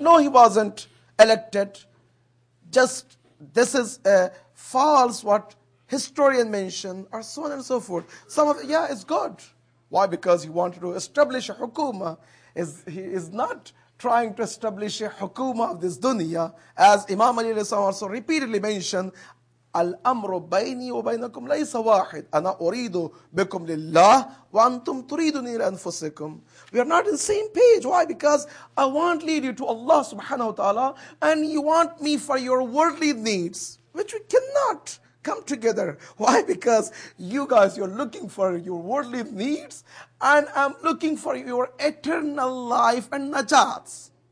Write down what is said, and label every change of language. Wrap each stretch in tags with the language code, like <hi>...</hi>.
<en>No, he wasn't elected. Just this is a false what historian mentioned, or so on and so forth. Some of it's good. Why? Because he wanted to establish a hukuma. He is not trying to establish a hukuma of this dunya. As Imam Ali also repeatedly mentioned,</en> <ar>الامر بيني وبينكم ليس واحد انا اريد بكم لله وانتم تريدوني لانفسكم.</ar> <en>We are not in the same page. Why? Because I want to lead you to Allah subhanahu wa ta'ala and you want me for your worldly needs, which we cannot come together. Why? Because you guys, you're looking for your worldly needs and I'm looking for your eternal life and najat.</en>